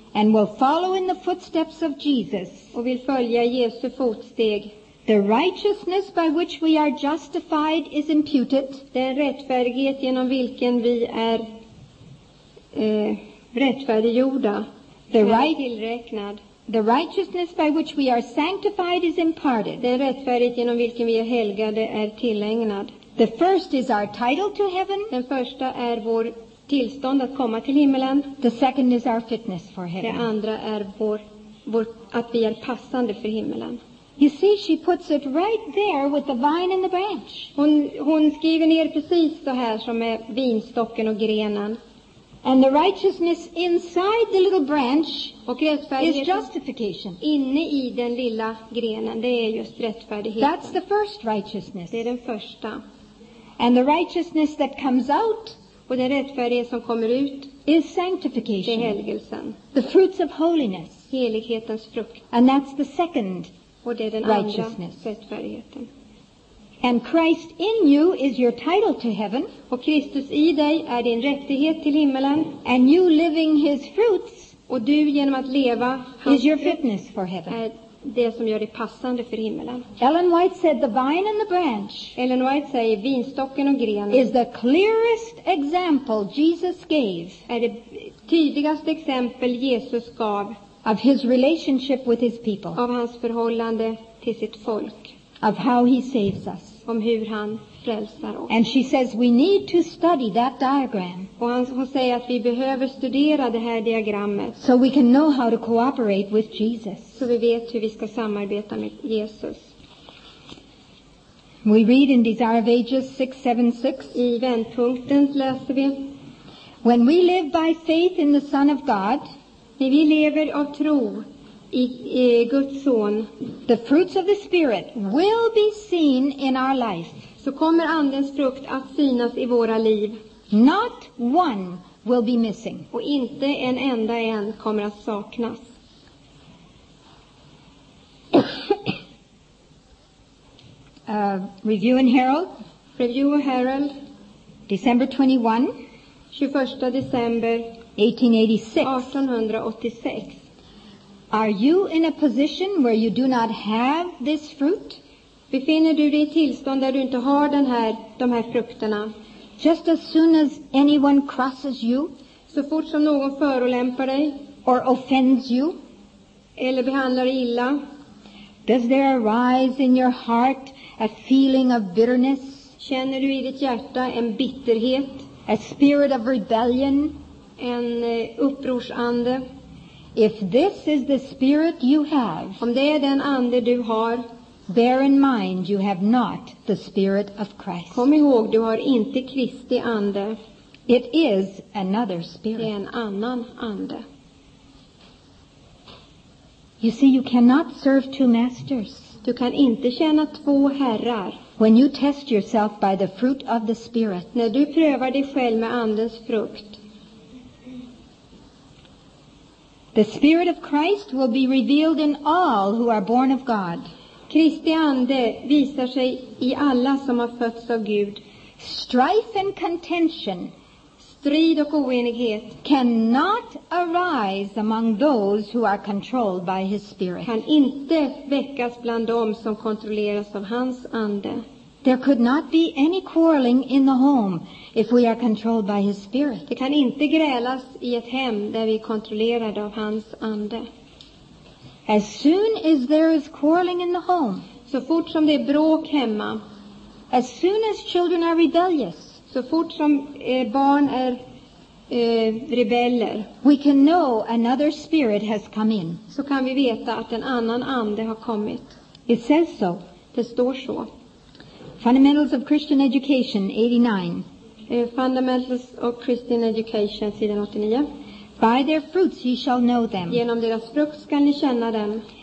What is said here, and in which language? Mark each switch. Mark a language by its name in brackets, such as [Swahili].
[English] and will follow in the footsteps of Jesus, [Swedish] och vill följa Jesu fotsteg. [English] The righteousness by which we are justified is imputed, [Swedish] den rättfärdighet genom vilken vi är rättfärdiggjorda, tillräknad. [English] The righteousness by which we are sanctified is imparted. [Swedish] Den rättfärdighet genom vilken vi är helgade är tillägnad. [English] The first is our title to heaven. [Swedish] Den första är vår tillstånd att komma till himmelen. [English] The second is our fitness for heaven. [Swedish] Det andra är att vi är passande för himmelen. [English] You see, she puts it right there with the vine and the branch. [Swedish] Hon skriver ner precis så här som är vinstocken och grenen. [English] And the righteousness inside the little branch is justification. [Swedish] Inne i den lilla grenen, det är just rättfärdighet. [English] That's the first righteousness. [Swedish] Det är den första. [English] And the righteousness that comes out, [Swedish] och den rättfärdighet som kommer ut, [English] is sanctification. [Swedish] Det är helgelsen. [English] The fruits of holiness. [Swedish] Helighetens frukt. [English] And that's the second, [Swedish] och det är den [English] righteousness, [Swedish] andra rättfärdigheten. [English] And Christ in you is your title to heaven. [Swedish] Och Kristus i dig är din rättighet till himmelen. [English] And you living his fruits, [Swedish] och du genom att leva [English] is your fitness for heaven. [Swedish] Är det som gör dig passande för himmelen. [English] Ellen White said the vine and the branch. [Swedish] Ellen White säger vinstocken och grenen. [English] Is the clearest example Jesus gave. [Swedish] Är det tydligaste exempel Jesus gav. [English] Of his relationship with his people. [Swedish] Av hans förhållande till sitt folk. [English] Of how he saves us. [Swedish] Om hur han frälsar oss. [English] And she says we need to study that diagram. [Swedish] Och hon säger att vi behöver studera det här diagrammet. [English] So we can know how to cooperate with Jesus. [Swedish] Så vi vet hur vi ska samarbeta med Jesus. [English] We read in Desire of Ages 6:7-6. [Swedish] I vändpunkten läser vi. [English] When we live by faith in the Son of God. [Swedish] När vi lever av tro. I Guds son, [English] the fruits of the spirit will be seen in our life. [Swedish] Så kommer andens frukt att synas i våra liv. [English] Not one will be missing. [Swedish] Och inte en enda en kommer att saknas. [English] Review and Herald. [Swedish] Review and Herald. [English] December 21. [Swedish] 21 december 1886. [English] Are you in a position where you do not have this fruit? [Swedish] Befinner du dig i tillstånd där du inte har den här, de här frukterna? [English] Just as soon as anyone crosses you, [Swedish] så fort som någon förolämpar dig, [English] or offends you, [Swedish] eller behandlar dig illa, [English] does there arise in your heart a feeling of bitterness? [Swedish] Känner du i ditt hjärta en bitterhet? [English] A spirit of rebellion? [Swedish] En upprorsande? [English] If this is the spirit you have, [Swedish] om det är den ande du har, [English] bear in mind you have not the spirit of Christ. [Swedish] Kom ihåg, du har inte Kristi ande. [English] It is another spirit. [Swedish] Det är en annan ande. [English] You see, you cannot serve two masters. [Swedish] Du kan inte tjäna två herrar. [English] When you test yourself by the fruit of the spirit. [Swedish] När du prövar dig själv med andens frukt. [English] The spirit of Christ will be revealed in all who are born of God. [Swedish] Kristi ande visar sig i alla som har fötts av Gud. [English] Strife and contention, [Swedish] strid och oenighet, [English] cannot arise among those who are controlled by his spirit. [Swedish] Kan inte väckas bland dem som kontrolleras av hans ande. [English] There could not be any quarreling in the home if we are controlled by his spirit. [Swedish] Det kan inte grälas i ett hem där vi är kontrollerade av hans ande. [English] As soon as there is quarreling in the home, [Swedish] så fort som det är bråk hemma, [English] as soon as children are rebellious, [Swedish] så fort som barn är rebeller, [English] we can know another spirit has come in. [Swedish] Så kan vi veta att en annan ande har kommit. [English] It says so. [Swedish] Det står så. [English] Fundamentals of Christian Education, 89. [Swedish] Fundamentals of Christian Education, sidan 89. [English] By their fruits ye shall know them. [Swedish] Genom deras frukt ska ni känna dem.